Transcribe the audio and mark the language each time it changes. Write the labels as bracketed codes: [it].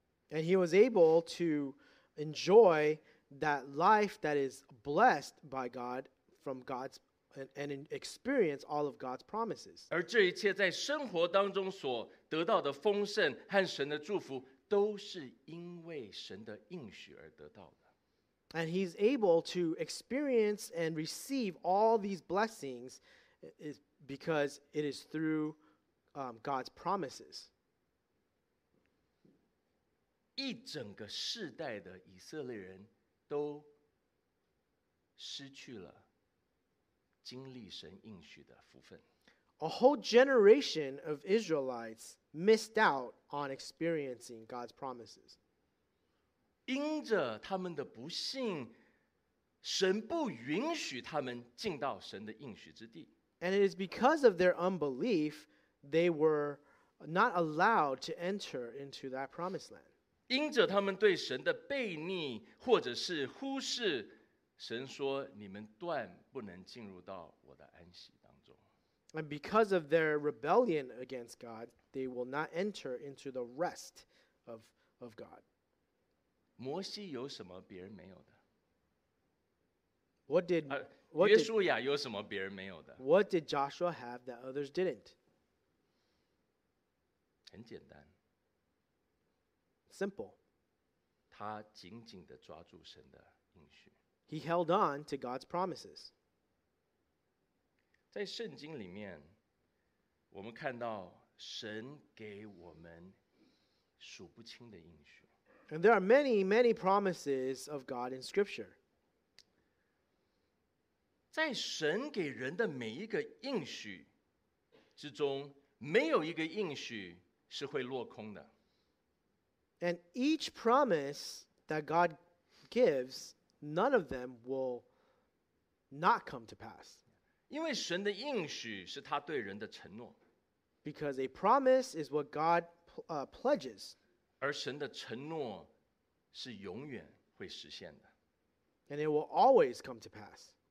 [en] And he was able to enjoy that life that is blessed by God from God'sand experience all of God's promises. [zh] 而这一切在生活当中所得到的丰盛和神的祝福都是因为神的应许而得到的。 [en] And he's able to experience and receive all these blessings is because it is through God's promises. [zh] 一整个世代的以色列人都失去了经历神应许的福分。 [en] A whole generation of Israelites missed out on experiencing God's promises. [zh] 因着他们的不信，神不允许他们进到神的应许之地。 [en] And it is because of their unbelief, they were not allowed to enter into that promised land. [zh] 因着他们对神的背逆，或者是忽视神说你们断不能进入到我的安息当中。 [en] And because of their rebellion against God, they will not enter into the rest of God. [zh] 摩西有什么别人没有的？ [en] What did [zh] 约书亚有什么别人没有的？ [en] What did Joshua have that others didn't? [zh] 很简单。 [en] Simple. [zh] 他紧紧地抓住神的应许。 [en] He held on to God's promises. [zh] 在圣经里面，我们看到神给我们数不清的应许。 [en] And there are many, many promises of God in Scripture. [zh] 在神给人的每一个应许之中，没有一个应许是会落空的。 [en] And each promise that God gives, none of them will not come to pass. [zh] 因为神的应许是他对人的承诺。 [en] Because a promise is what God pledges. [zh] 而神的承诺是永远会实现的。 [en] And it will always come to pass.